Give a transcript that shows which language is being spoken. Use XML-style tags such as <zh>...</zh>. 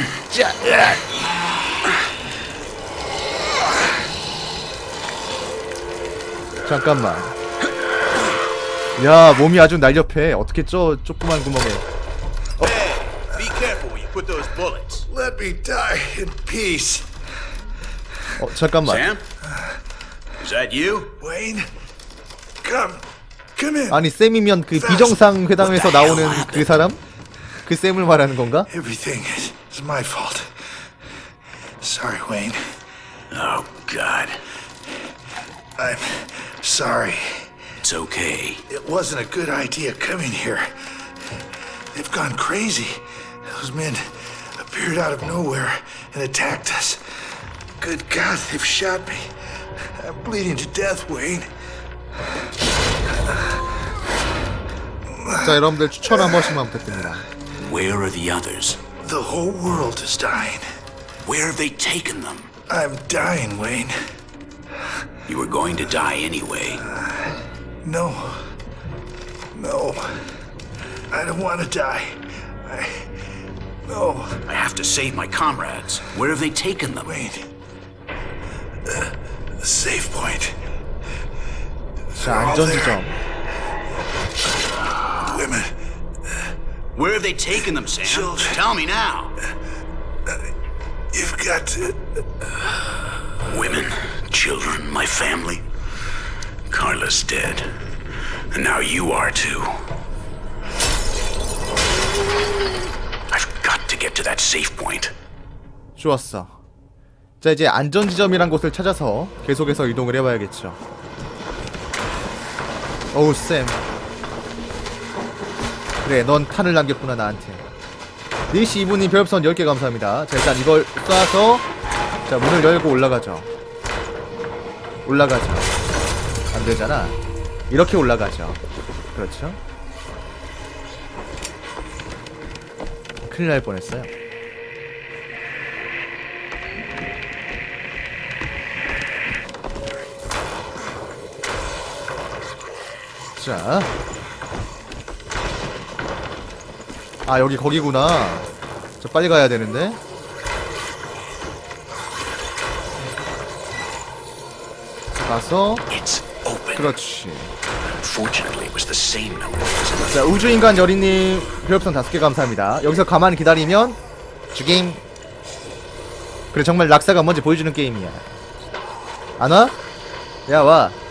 <ko>자, 잠깐만. 야, 몸이 아주 날렵해. 어떻게 저 조그만 구멍에.</ko> <en>Be careful when you put those bullets. Let me die in peace.</en> <ko>잠깐만.</ko> <en>Sam? Is that you? Wayne? Come. Come in.</en> <ko>아니, 샘이면 그 비정상 회담에서 나오는 그 사람? 그 샘을 말하는 건가?</ko> <en>Everything is my fault. Sorry, Wayne. Oh god. I'm sorry. It's okay. It wasn't a good idea coming here. They've gone crazy. Those men appeared out of nowhere and attacked us. Good God, they've shot me. I'm bleeding to death, Wayne.</en> <ko>자, 여러분들 추천 한 번씩만 부탁드립니다.</ko> <en>Where are the others? The whole world is dying. Where have they taken them? I'm dying, Wayne. You were going to die anyway. No. No. I don't want to die. No. I have to save my comrades. Where have they taken them? Wayne. Safe point.</en> <ko>자, 안전지점.</ko> <en>Women. Where have they taken them, Sam? Children. Tell me now. You've got to... Women, children, my family. Carla's dead. And now you are too. I've got to get to that safe point.</en> <ko>좋았어. 자, 이제 안전지점이란 곳을 찾아서 계속해서 이동을 해봐야겠죠. 어우, 쌤. 그래, 넌 탄을 남겼구나, 나한테. 니시 이분님 별풍선 10개 감사합니다. 자, 일단 이걸 쏴서, 자, 문을 열고 올라가죠. 올라가죠. 안 되잖아. 이렇게 올라가죠. 그렇죠? 큰일 날 뻔했어요. 자. 아, 여기 거기구나. 저 빨리 가야 되는데. 가서. 그렇지.</ko> <en>Fortunately, it was the same number.</en> <ko>자, 우주인간 여리님, 별풍선 5개 감사합니다. 여기서 가만히 기다리면 죽임. 그래, 정말 락사가 뭔지 보여주는 게임이야. 안 와? 야, 와.</ko>